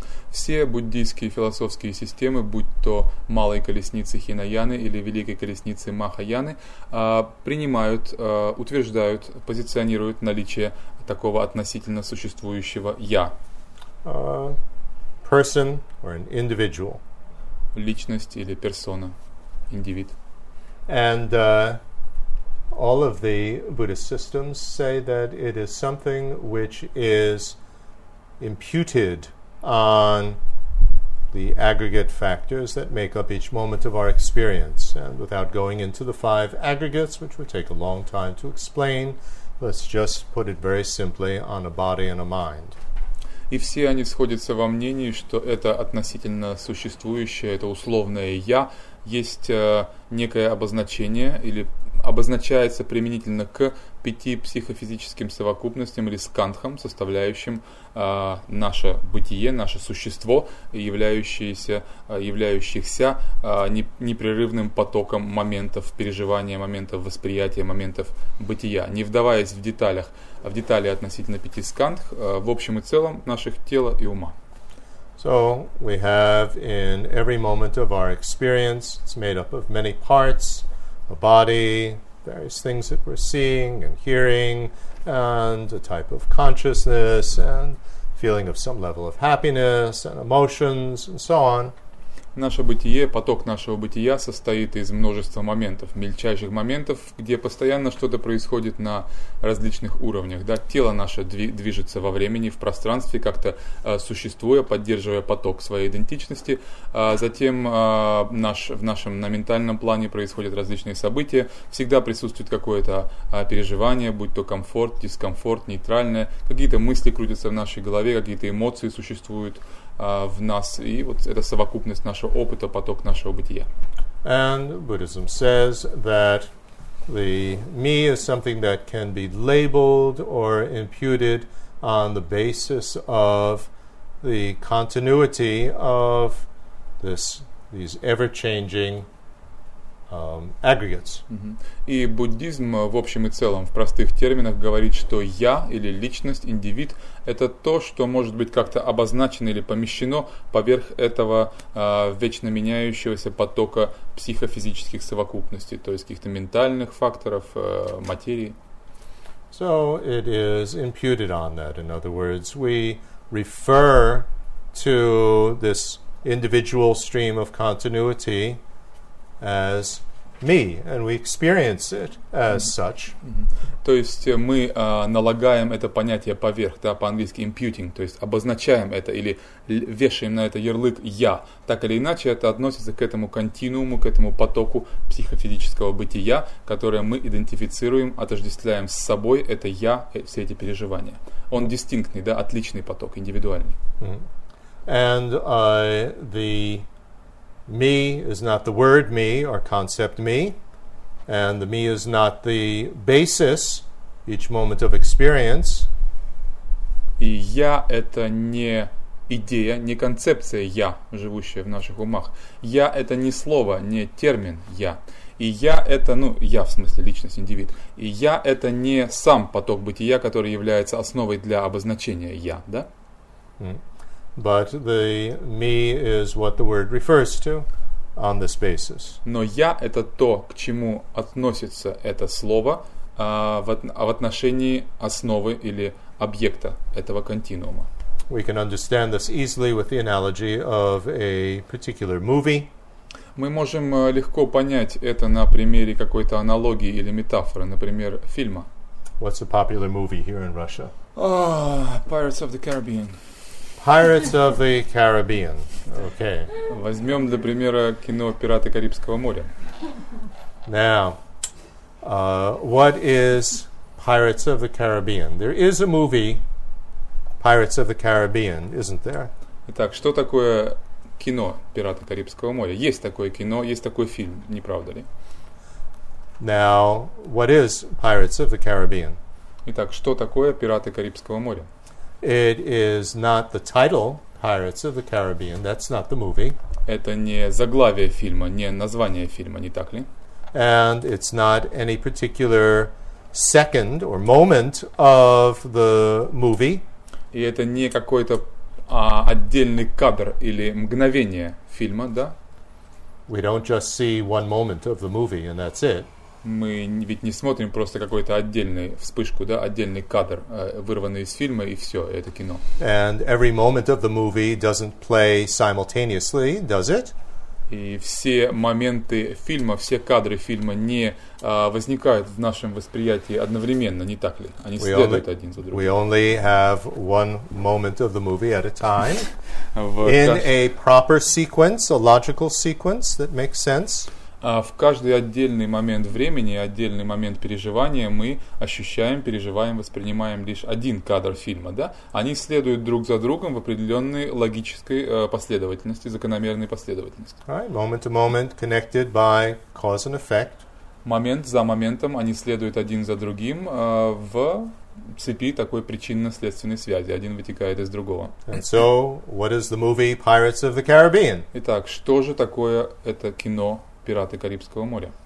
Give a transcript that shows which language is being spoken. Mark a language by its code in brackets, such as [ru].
[ru] Все буддийские философские системы, будь то малой колесницы Хинаяны или великой колесницы Махаяны, принимают, утверждают, позиционируют наличие такого относительно существующего я. [en] Person or an individual. [ru] Личность или персона, индивид. [en] And all of the Buddhist systems say that it is something which is imputed on the aggregate factors that make up each moment of our experience. And without going into the five aggregates, which would take a long time to explain, let's just put it very simply on a body and a mind. [ru] И все они сходятся во мнении, что это относительно существующее, это условное «я», есть некое обозначение или обозначается применительно к пяти психофизическим совокупностям или скандхам, составляющим наше бытие, наше существо, являющихся непрерывным потоком моментов переживания, моментов восприятия, моментов бытия. Не вдаваясь в деталях, в детали относительно пяти скандх, в общем и целом наших тела и ума. [en] So, we have in every moment of our experience, it's made up of many parts, a body, various things that we're seeing and hearing, and a type of consciousness, and feeling of some level of happiness, and emotions, and so on. [ru] наше бытие, поток нашего бытия состоит из множества моментов, мельчайших моментов, где постоянно что-то происходит на различных уровнях. Да? Тело наше движется во времени, в пространстве, как-то существуя, поддерживая поток своей идентичности. Затем в нашем ментальном плане происходят различные события. Всегда присутствует какое-то переживание, будь то комфорт, дискомфорт, нейтральное. Какие-то мысли крутятся в нашей голове, какие-то эмоции существуют в нас, и вот это совокупность нашего опыта, поток нашего бытия. [en] And Buddhism says that the me is something that can be labeled or imputed on the basis of the continuity of these ever-changing aggregates. [ru] И буддизм в общем и целом, в простых терминах, говорит, что я или личность, индивид, это то, что может быть как-то обозначено или помещено поверх этого вечно меняющегося потока психофизических совокупностей, то есть каких-то ментальных факторов, материи. [en] So it is imputed on that. In other words, we refer to this individual stream of continuity as me, and we experience it as such. [ru] То есть мы налагаем это понятие поверх, да, по-английски imputing, то есть обозначаем это или вешаем на это ярлык «я». Так или иначе, это относится к этому континууму, к этому потоку психофизического бытия, которое мы идентифицируем, отождествляем с собой, это «я», все эти переживания. Он дистинктный, да, отличный поток, индивидуальный. [en] And the me is not the word me or concept me, and the me is not the basis each moment of experience. [ru] И я — это не идея, не концепция «я», живущая в наших умах. Я — это не слово, не термин «я». И я — это, ну, я в смысле личность, индивид. И я — это не сам поток бытия, который является основой для обозначения «я», да? [en] But the me is what the word refers to on this basis. [ru] Но я — это то, к чему относится это слово в отношении основы или объекта этого континуума. [en] We can understand this easily with the analogy of a particular movie. [ru] Мы можем легко понять это на примере какой-то аналогии или метафоры, например, фильма. [en] What's a popular movie here in Russia? Oh, Pirates of the Caribbean. Pirates of the Caribbean. Okay. [ru] Возьмем для примера кино «Пираты Карибского моря». [en] Now, what is Pirates of the Caribbean? There is a movie, Pirates of the Caribbean, isn't there? [ru] Итак, что такое кино «Пираты Карибского моря»? Есть такое кино, есть такой фильм, не правда ли? [en] Now, what is Pirates of the Caribbean? [ru] Итак, что такое «Пираты Карибского моря»? [en] It is not the title Pirates of the Caribbean. That's not the movie. [ru] Это не заглавие фильма, не название фильма, не так ли? [en] And it's not any particular second or moment of the movie. [ru] И это не какой-то отдельный кадр или мгновение фильма, да? [en] We don't just see one moment of the movie and that's it. [ru] Мы ведь не смотрим просто какой-то отдельный вспышку, да, отдельный кадр, вырванный из фильма, и все, это кино. [en] And every moment of the movie doesn't play simultaneously, does it? [ru] И все моменты фильма, все кадры фильма не возникают в нашем восприятии одновременно, не так ли? Они следуют один за другим. [en] We only have one moment of the movie at a time. In a proper sequence, a logical sequence that makes sense. [ru] В каждый отдельный момент времени, отдельный момент переживания мы ощущаем, переживаем, воспринимаем лишь один кадр фильма, да? Они следуют друг за другом в определенной логической последовательности, закономерной последовательности. [en] Right, moment to moment, connected by cause and effect. [ru] Момент за моментом они следуют один за другим в цепи такой причинно-следственной связи. Один вытекает из другого. [en] And so, what is the movie Pirates of the Caribbean? [ru] Итак, что же такое это кино «Пираты Карибского моря»?